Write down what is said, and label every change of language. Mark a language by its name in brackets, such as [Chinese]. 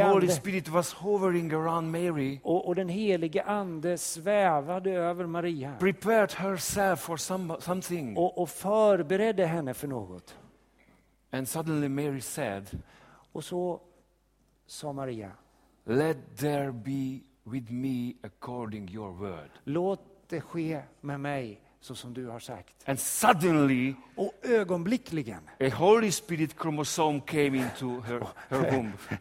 [English] ande. And the Holy Spirit was hovering around Mary. [Swedish] Och den helige ande svävade över Maria. [English] Prepared herself for something. [Swedish] Och förberedde henne för något. [English] And suddenly Mary said. [Swedish] Och så sa Maria. [English] Let there be with me according your word. [Swedish] Låt det ske med mig så som du har sagt. [English] And suddenly, [Swedish] och ögonblickligen, [English] a Holy Spirit chromosome came into her womb.